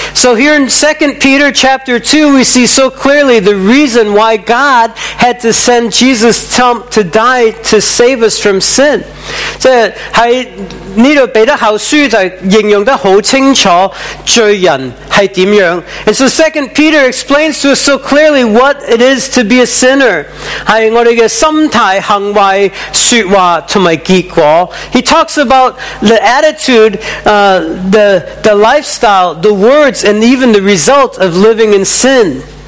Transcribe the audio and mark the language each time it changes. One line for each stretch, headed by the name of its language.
English: So here in 2 Peter chapter 2, we see so clearly the reason why God had to send Jesus to die to save us from sin.
Chinese: 在这里彼得后书就形容得很清楚罪人是怎样。
English: And so 2 Peter explains to us so clearly what it is to be a sinner.
Chinese: 是我们的心态、行为、说话和结果。
English: He talks about the attitude, the lifestyle, the words, and even the result of living in sin.